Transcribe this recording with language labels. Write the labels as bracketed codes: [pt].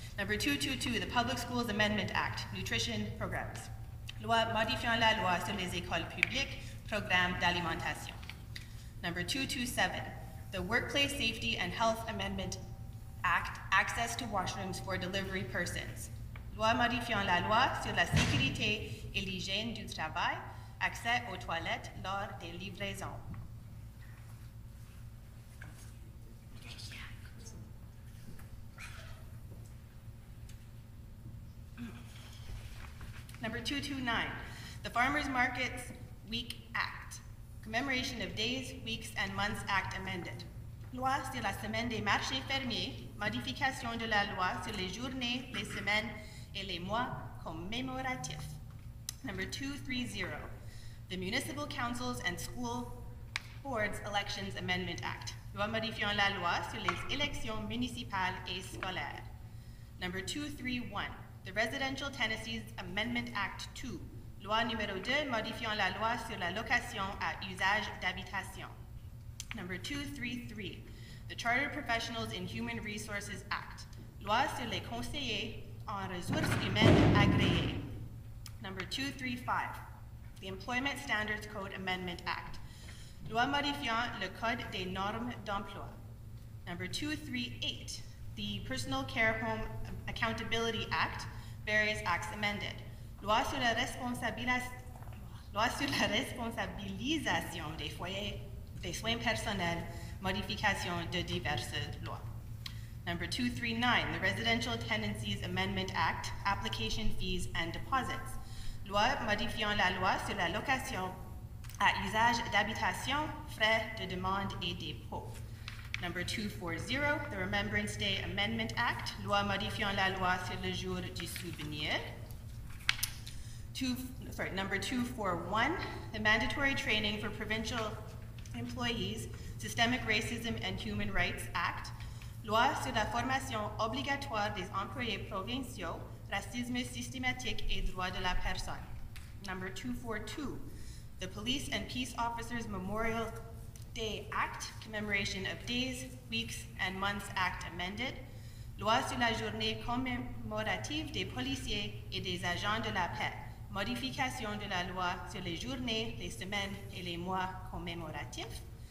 [en] Number 222, the Public Schools Amendment Act Nutrition Programs. [fr] Loi modifiant la loi sur les écoles publiques, programmes d'alimentation. [en] Number 227, the Workplace Safety and Health Amendment Act, Access to Washrooms for Delivery Persons. [fr] Loi modifiant la loi sur la sécurité et l'hygiène du travail, accès aux toilettes lors des livraisons. [en] Number 229, the Farmers Markets Week Act, Commemoration of Days, Weeks, and Months Act amended. [fr] Loi sur la semaine des marchés fermiers, modification de la loi sur les journées, les semaines, et les mois commémoratifs. [en] Number 230, the Municipal Councils and School Boards Elections Amendment Act. [fr] Loi modifiant la loi sur les élections municipales et scolaires. [en] Number 231, the Residential Tenancies Amendment Act 2. [fr] Loi numéro 2 modifiant la loi sur la location à usage d'habitation. [en] Number 233, the Chartered Professionals in Human Resources Act. [fr] Loi sur les conseillers en ressources humaines agréées. [en] Number 235, the Employment Standards Code Amendment Act. [fr] Loi modifiant le code des normes d'emploi. [en] Number 238, the Personal Care Home Accountability Act, various acts amended. [fr] Loi sur la responsabilisation des foyers des soins personnels, modification de diverses lois. [en] Number 239, the Residential Tenancies Amendment Act, Application Fees and Deposits. [fr] Loi modifiant la loi sur la location à usage d'habitation, frais de demande et dépôt. [en] Number 240, the Remembrance Day Amendment Act. [fr] Loi modifiant la loi sur le jour du souvenir. [en] Number 241, the Mandatory Training for Provincial Employees, Systemic Racism and Human Rights Act. [fr] Loi sur la formation obligatoire des employés provinciaux, racisme systématique et droit de la personne. [en] Number 242, the Police and Peace Officers Memorial Day Act, Commemoration of Days, Weeks, and Months Act amended. [fr] Loi sur la journée commémorative des policiers et des agents de la paix, modification de la loi sur les journées, les semaines et les mois commémoratifs.